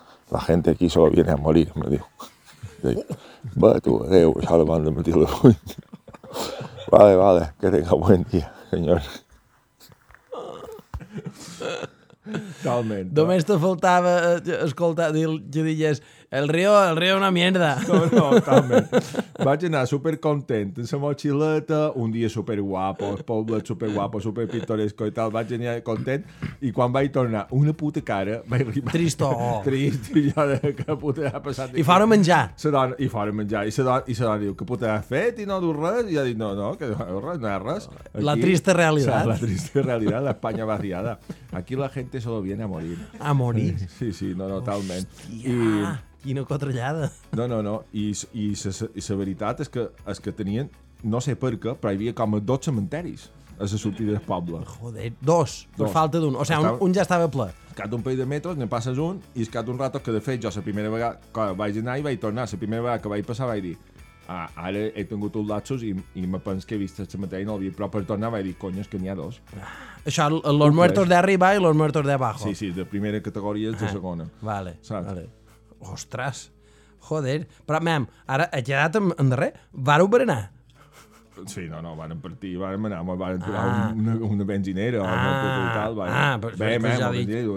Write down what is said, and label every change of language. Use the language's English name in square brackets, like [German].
[Spanish] La gente aquí solo viene a morir, me dijo. Va, tú, adiós, ya lo mando a mi teléfono. Vale, vale, que tenga buen día, señor. [Catalan] Talmente. Només te faltava escoltar, que digués, [Spanish] el río una mierda. [Catalan] No, talmente. Vaig anar supercontent, amb la motxileta, un dia superguapo, el poble superguapo, superpintoresco i tal, vaig anar content, i quan vaig tornar, una puta cara, trist, i jo, que puta ha passat. I fora menjar. I la dona diu, que puta ha fet i no dur res, i jo dic, no, que no res, no és res. Aquí, la trista realitat. La trista realitat, l'Espanya vaciada. Aquí la gent [Spanish] solo viene a morir. [Catalan] A morir? Sí, no, no, talment. Hòstia, quina cotrellada. No, i la veritat és que tenien, no sé per què, però hi havia com 12 cementeris a la sortida del poble. Joder, dos. Per falta d'un. O sigui, un ja estava ple. Cada un parell de metres, ne passes un, i es cada un rato que, de fet, jo la primera vegada que vaig anar i vaig tornar, la primera vegada que vaig passar vaig dir, ara he tingut un lapsus i me penso que he vist el cementeri i no el havia, però per tornar vaig dir, coño, és que n'hi ha dos. [Spanish] Això, los muertos de arriba y los muertos de abajo. [Catalan] Sí, de primera categoria és de segona. Vale, saps? Vale. Ostres, joder. Però, mem, ara he quedat en darrer. Vareu berenar? Sí, no, no, van partir, van anar, van trobar una benzinera o una cosa i tal. Van, Bé, mem, ja dic...